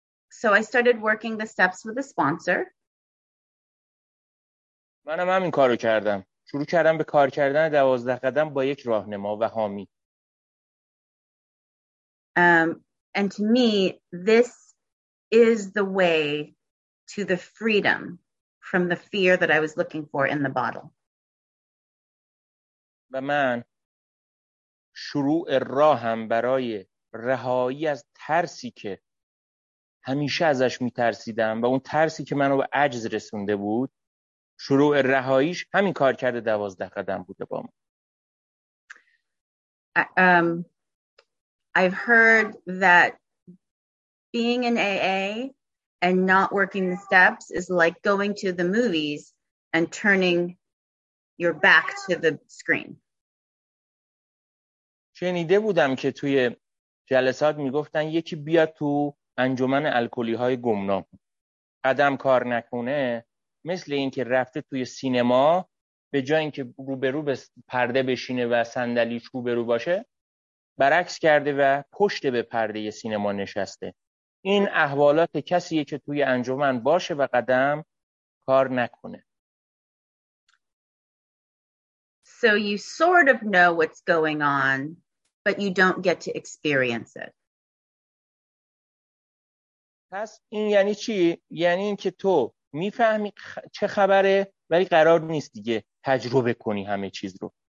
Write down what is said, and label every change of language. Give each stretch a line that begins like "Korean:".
English: So I started working the steps with a sponsor.
Persian: منم همین کارو کردم. شروع کردم به کار کردن 12 قدم با یک راهنما و حامی.
English: And to me, this is the way to the freedom from the fear that I was looking for in the bottle.
Persian: و من شروع راهم برای رهایی از ترسی که همیشه ازش میترسیدم و اون ترسی که منو به عجز رسونده بود، شروع رهاییش همین کار کرده 12 قدم بوده با من.
English: I've heard that being in AA and not working the steps is like going to the movies and turning your back to the screen.
Persian: شنیده بودم که توی جلسات میگفتن یکی بیا تو انجمن الکلی های گمنام، قدم کار نکنه، مثل اینکه رفته توی سینما به جای اینکه روبرو به پرده بشینه و صندلیش روبرو باشه، برعکس کرده و پشت به پرده سینما نشسته. این احوالات کسیه که توی انجمن باشه و قدم کار نکنه.
English: So you sort of know what's going on, but you don't get to experience it.
Persian: پس این یعنی چی؟ یعنی این که تو میفهمی چه خبره ولی قرار نیست دیگه تجربه کنی همه چیز رو.